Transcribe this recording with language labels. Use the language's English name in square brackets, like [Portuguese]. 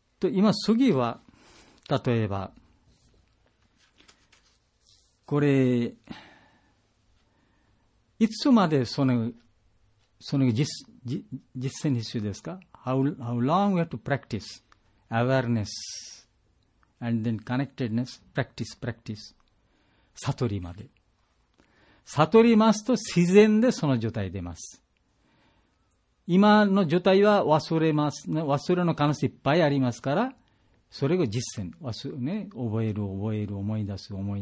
[Japanese] 今次は例えばこれいつまでその実践必要ですか？ [English] How long we have to practice awareness and then connectedness practice [Japanese] 悟りまで。悟りますと自然でその状態出ます。今の状態は忘れます、ね、忘れの可能性いっぱいありますから、それを実践、ね、覚える、思い出す。